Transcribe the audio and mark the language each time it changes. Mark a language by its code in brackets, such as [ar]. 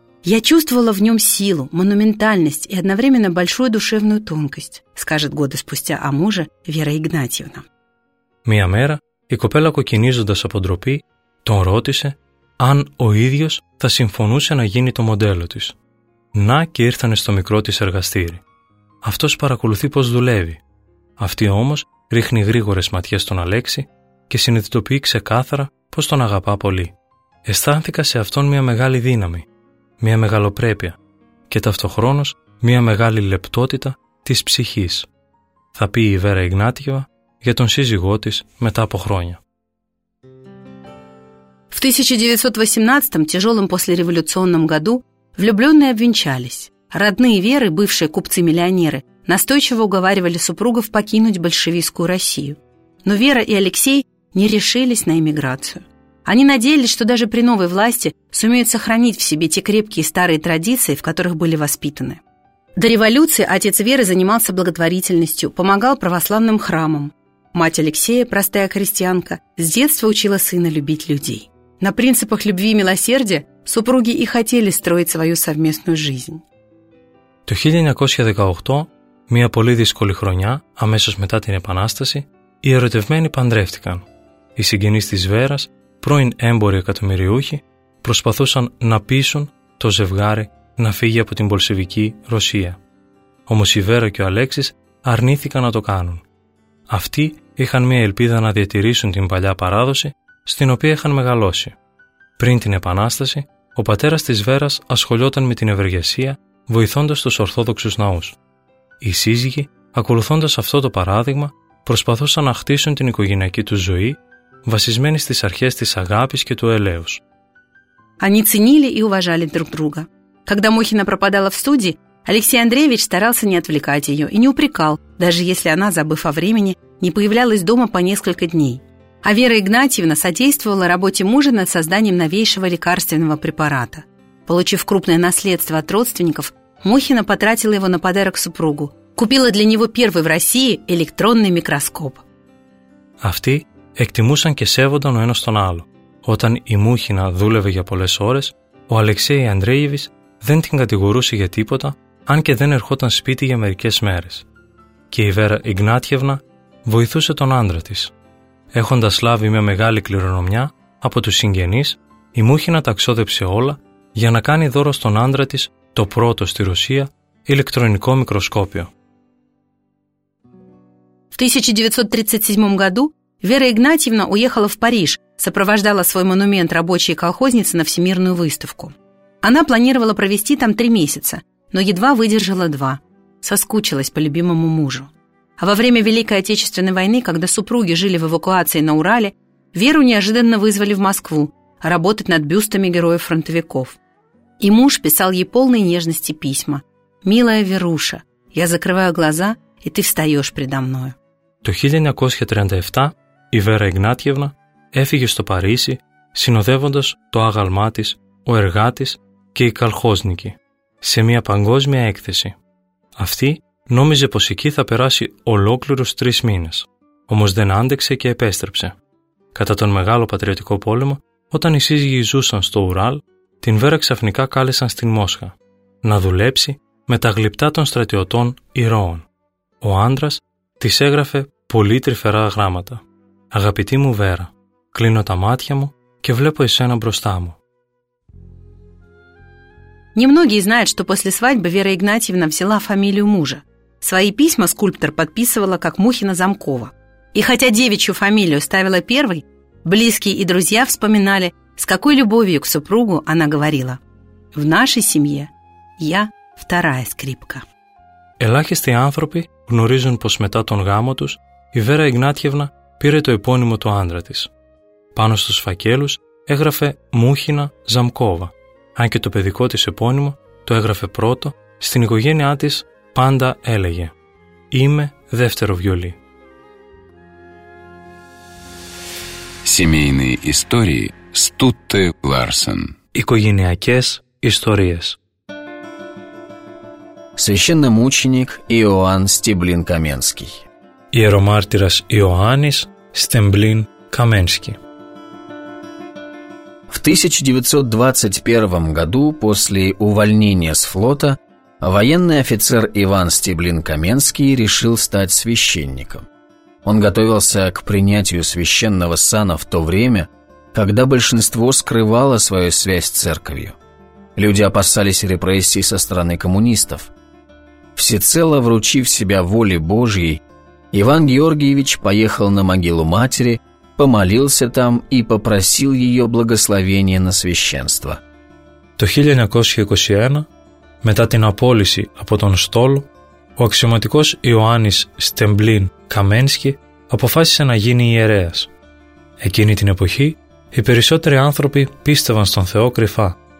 [ru] «Я чувствовала в нем силу, монументальность и одновременно большую душевную тонкость», скажет годы спустя о муже Вера Игнатьевна. [el] Мия мэра. Η κοπέλα, κοκκινίζοντας από ντροπή, τον ρώτησε αν ο ίδιος θα συμφωνούσε να γίνει το μοντέλο της. Να και ήρθανε στο μικρό της εργαστήρι. Αυτός παρακολουθεί πως δουλεύει. Αυτή όμως ρίχνει γρήγορες ματιές στον Αλέξη και συνειδητοποιεί ξεκάθαρα πως τον αγαπά πολύ. Αισθάνθηκα σε αυτόν μια μεγάλη δύναμη, μια μεγαλοπρέπεια και ταυτοχρόνως μια μεγάλη λεπτότητα της ψυχής. Θα πει η Βέρα Ιγνάτιεβα για τον σύζυγό της μετά από χρόνια. [ru] В 1918, тяжелом послереволюционном году, влюбленные обвенчались. Родные Веры, бывшие купцы-миллионеры, настойчиво уговаривали супругов покинуть большевистскую Россию. Но Вера и Алексей не решились на эмиграцию. Они надеялись, что даже при новой власти сумеют сохранить в себе те крепкие старые традиции, в которых были воспитаны. До революции отец Веры занимался благотворительностью, помогал православным храмам. Мать Алексея, простая крестьянка, с детства учила сына любить людей. На принципах любви и милосердия супруги и хотели строить свою совместную жизнь. [el] Το 1918, μια πολύ δύσκολη χρονιά, αμέσως μετά την Επανάσταση, οι ερωτευμένοι παντρεύτηκαν. Οι συγγενείς της Βέρας, πρώην έμποροι εκατομμυριούχοι, προσπαθούσαν να πείσουν το ζευγάρι να φύγει από την Πολσεβική Ρωσία. Όμως η Βέρα και ο Αλέξης αρνήθηκαν να το κάνουν. Αυτοί είχαν μια ελπίδα να διατηρήσουν την παλιά παράδοση στην οποία είχαν μεγαλώσει. Πριν την Επανάσταση, ο πατέρας της Βέρας ασχολιόταν με την ευεργεσία, βοηθώντας τους Ορθόδοξους ναούς. Οι σύζυγοι, ακολουθώντας αυτό το παράδειγμα, προσπαθούσαν να χτίσουν την οικογενειακή τους ζωή, βασισμένη στις αρχές της αγάπης και του ελέους. [ru] Они ценили и уважали друг друга. Когда Мухина пропадала в студии, Алексей Андреевич старался не отвлекать ее и не упрекал, даже если она, забыв о времени, не появлялась дома по несколько дней. А Вера Игнатьевна содействовала работе мужа над созданием новейшего лекарственного препарата. Получив крупное наследство от родственников, Мухина потратила его на подарок супругу, купила для него первый в России электронный микроскоп. [el] Αυτοί εκτιμούσαν και σέβονταν ο ένας τον άλλο. Όταν η Μούχινα δούλευε για πολλές ώρες, ο Αλεξέη Ανδρέιβης δεν την κατηγορούσε για τίποτα, αν και δεν ερχόταν σπίτι για μερικές μέρες. Και η Βέρα Ιγνάτιεβνα βοηθούσε τον άντρα της. Έχοντας λάβει μια μεγάλη κληρονομιά από τους συγγενείς, η Μούχινα ταξόδεψε όλα για να κάνει δώρο στον άντρα της το πρώτο στη Ρωσία ηλεκτρονικό μικροσκόπιο. [ru] В 1937 году Вера Игнатьевна уехала в Париж, сопровождала свой монумент рабочей колхозницы на Всемирную выставку. Она планировала провести там 3 месяца, но едва выдержала 2. Соскучилась по любимому мужу. А во время Великой Отечественной войны, когда супруги жили в эвакуации на Урале, Веру неожиданно вызвали в Москву работать над бюстами героев-фронтовиков. И муж писал ей полные нежности письма. «Милая Веруша, я закрываю глаза, и ты встаешь предо мною». В 1937 году Вера Игнатьевна [el] έφυγε στο Παρίσι, συνοδεύοντας το άγαλμά της, ο εργάτης και η καλχόζνικη, σε μια παγκόσμια έκθεση. Αυτή νόμιζε πως εκεί θα περάσει ολόκληρους 3 μήνες, όμως δεν άντεξε και επέστρεψε. Κατά τον Μεγάλο Πατριωτικό Πόλεμο, όταν οι σύζυγοι ζούσαν στο Ουράλ, την Βέρα ξαφνικά κάλεσαν στην Μόσχα να δουλέψει με τα γλυπτά των στρατιωτών ηρώων. Ο άντρας της έγραφε πολύ τρυφερά γράμματα. «Αγαπητή μου Βέρα, κλείνω τα μάτια μου και βλέπω εσένα μπροστά μου». [ru] Немногие знают, что после свадьбы Вера Игнатьевна взяла фамилию мужа. Свои письма скульптор подписывала как Мухина Замкова. И хотя девичью фамилию ставила первой, близкие и друзья вспоминали, с какой любовью к супругу она говорила: «В нашей семье я вторая скрипка». [el] Ελάχιστοι άνθρωποι γνωρίζουν πως μετά τον γάμο τους η Βέρα Ιγνάτιευνα πήρε το επώνυμο του άντρα της. Πάνω στους φακέλους έγραφε Μούχινα Ζαμκόβα, αν και το παιδικό της επώνυμο το έγραφε πρώτο, στην οικογένειά της πάντα έλεγε «Είμαι δεύτερο βιολί». [ru] Семейные истории Стутте Ларсен. [el] Οικογενειακές ιστορίες. [ru] Священномученик Иоанн Стеблин Каменский. [el] Ιερομάρτυρας Ιωάννης Στεμπλίν Καμένσκι. [ru] В 1921 году, после увольнения с флота, военный офицер Иван Стеблин Каменский решил стать священником. Он готовился к принятию священного сана в то время, когда большинство скрывало свою связь с церковью. Люди опасались репрессий со стороны коммунистов. Всецело вручив себя воле Божьей, Иван Георгиевич поехал на могилу матери, помолился там и попросил ее благословения на священство. [el] Το 1921, μετά την απόλυση από τον στόλο, ο αξιωματικός Ιωάννης Στεμπλίν Καμένσκι αποφάσισε να γίνει ιερέας. Εκείνη την εποχή, οι περισσότεροι άνθρωποι πίστευαν στον Θεό κρυφά.